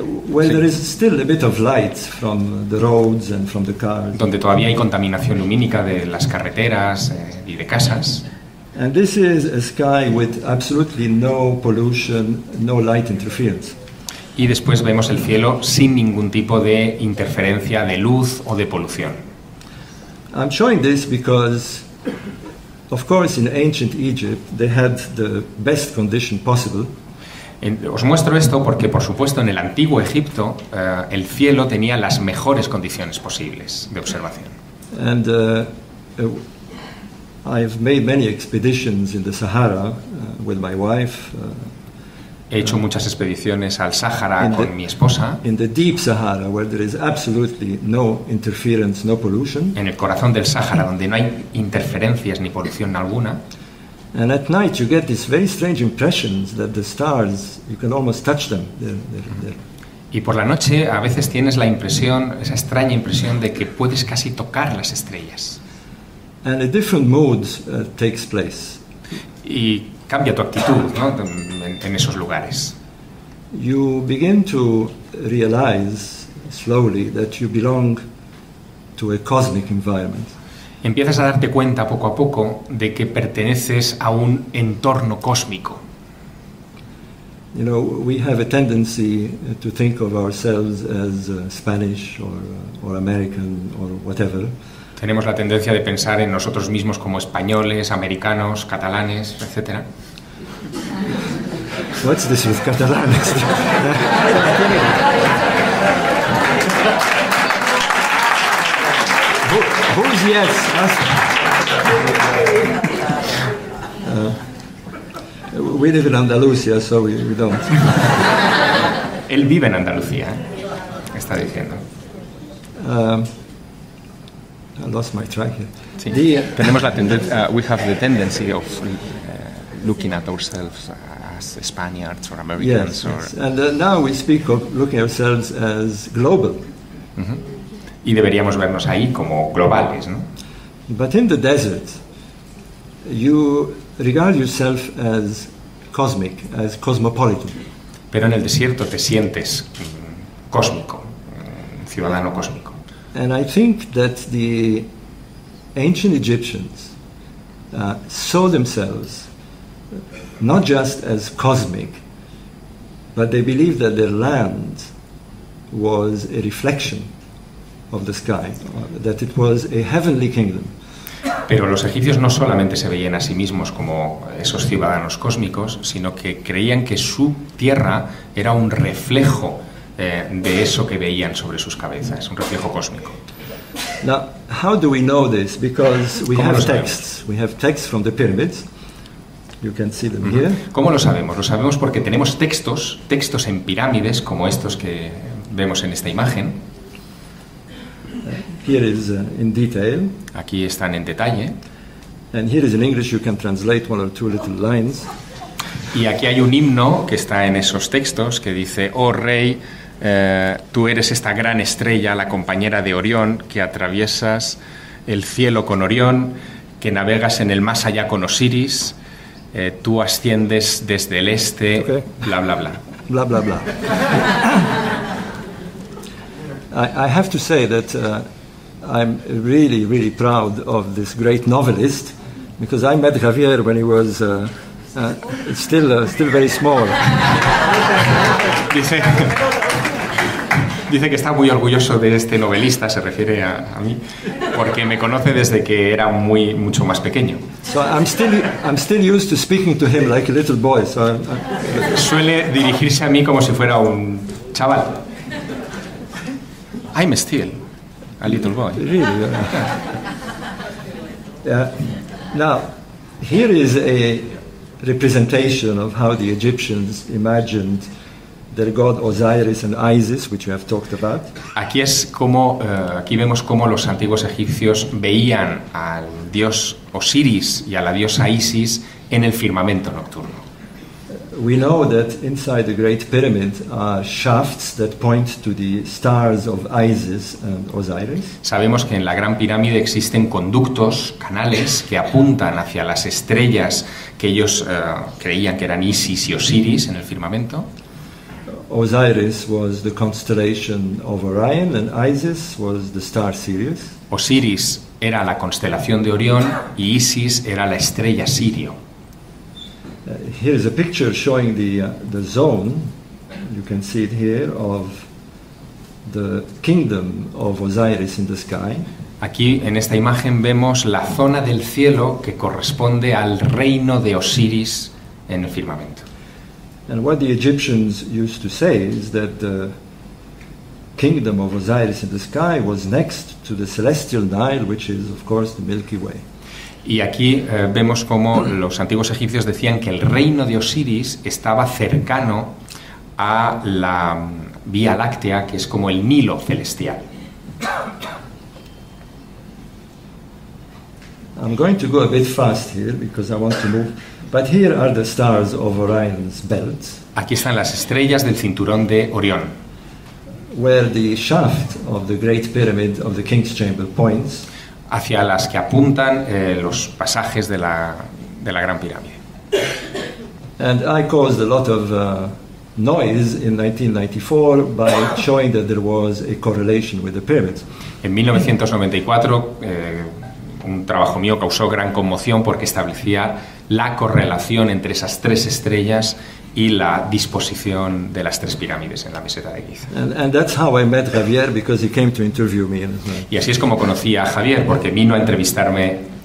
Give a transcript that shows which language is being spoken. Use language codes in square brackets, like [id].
[en] Where sí. There is still a bit of light from the roads and from the cars. [es] Donde todavía hay contaminación lumínica de las carreteras y de casas. [en] And this is a sky with absolutely no pollution, no light interference. [es] Y después vemos el cielo sin ningún tipo de interferencia de luz o de polución. [en] I'm showing this because, of course, in ancient Egypt they had the best condition possible. [es] Os muestro esto porque, por supuesto, en el antiguo Egipto el cielo tenía las mejores condiciones posibles de observación. [en] And I've made many expeditions in the Sahara with my wife. [es] He hecho muchas expediciones al Sahara con mi esposa. [en] In the deep Sahara, where there is absolutely no interference, no pollution. [es] En el corazón del Sahara, donde no hay interferencias ni polución alguna. [en] And at night, you get these very strange impressions that the stars, you can almost touch them. They're. [es] Y por la noche, a veces tienes la impresión, esa extraña impresión de que puedes casi tocar las estrellas. [en] And a different mood takes place. [es] Y cambia tu actitud, ¿no? En esos lugares. [en] You begin to realize slowly that you belong to a cosmic environment. [es] Empiezas a darte cuenta poco a poco de que perteneces a un entorno cósmico. [en] You know, we have a tendency to think of ourselves as Spanish or American or whatever. [es] Tenemos la tendencia de pensar en nosotros mismos como españoles, americanos, catalanes, etc. [en] What's this with catalanes? Who's yes? We live in Andalusia, so we don't. [es] Él vive en Andalucía, está diciendo. [en] I lost my track here. [es] Sí. Tenemos la tendencia, [en] we have the tendency of looking at ourselves as Spaniards or Americans. Yes, or yes. And now we speak of looking at ourselves as global. Mm-hmm. [es] Y deberíamos vernos ahí como globales, ¿no? [en] But in the desert, you regard yourself as cosmic, as cosmopolitan. [es] Pero en el desierto te sientes cósmico, ciudadano cósmico. [en] And I think that the ancient Egyptians saw themselves not just as cosmic, but they believed that their land was a reflection of the sky, that it was a heavenly kingdom. [es] Pero los egipcios no solamente se veían a sí mismos como esos ciudadanos cósmicos, sino que creían que su tierra era un reflejo de eso que veían sobre sus cabezas, un reflejo cósmico. [en] Now, how do we know this? Because we have texts. We have texts from the pyramids. You can see them here. [es] ¿Cómo lo sabemos? Lo sabemos porque tenemos textos en pirámides como estos que vemos en esta imagen. [en] Here is in detail. [es] Aquí están en detalle. [en] And here is in English. You can translate one or two little lines. [es] Y aquí hay un himno que está en esos textos que dice: oh rey, tú eres esta gran estrella, la compañera de Orión, que atraviesas el cielo con Orión, que navegas en el más allá con Osiris, tú asciendes desde el este, okay. Bla bla bla. Bla bla bla. [en] I have to say that I'm really really proud of this great novelist because I met Javier when he was still very small. [es] Dice, dice que está muy orgulloso de este novelista, se refiere a mí, porque me conoce desde que era muy mucho más pequeño. [en] So I'm still used to speaking to him like a little boy. So [es] suele dirigirse a mí como si fuera un chaval. [en] I'm still a little boy. Really? Now here is a representation of how the Egyptians imagined their god Osiris and Isis, which we have talked about. [es] Aquí es como aquí vemos cómo los antiguos egipcios veían al dios Osiris y a la diosa Isis en el firmamento nocturno. [en] We know that inside the Great Pyramid are shafts that point to the stars of Isis and Osiris. [es] Sabemos que en la Gran Pirámide existen conductos, canales que apuntan hacia las estrellas que ellos creían que eran Isis y Osiris en el firmamento. [en] Osiris was the constellation of Orion and Isis was the star Sirius. [es] Osiris era la constelación de Orión y Isis era la estrella Sirio. [en] Here is a picture showing the zone, you can see it here, of the kingdom of Osiris in the sky. [es] Aquí en esta imagen vemos la zona del cielo que corresponde al reino de Osiris en el firmamento. [en] And what the Egyptians used to say is that the kingdom of Osiris in the sky was next to the celestial Nile, which is of course the Milky Way. [es] Y aquí vemos cómo los antiguos egipcios decían que el reino de Osiris estaba cercano a la Vía Láctea, que es como el Nilo celestial. [en] I'm going to go a bit fast here because I want to move. But here are the stars of Orion's belt. [es] Aquí están las estrellas del cinturón de Orión. [en] Where the shaft of the Great Pyramid of the King's Chamber points. [es] Hacia las que apuntan los pasajes de la Gran Pirámide. [en] And I caused a lot of noise in 1994 by showing that there was a correlation with the pyramids. [es] En 1994, un trabajo mío causó gran conmoción porque establecía la correlación entre esas tres estrellas y la disposición de las tres pirámides en la meseta de Giza. [en] And that's how I met Javier because he came to interview me. [es] Y así es como conocí a Javier porque vino a entrevistarme.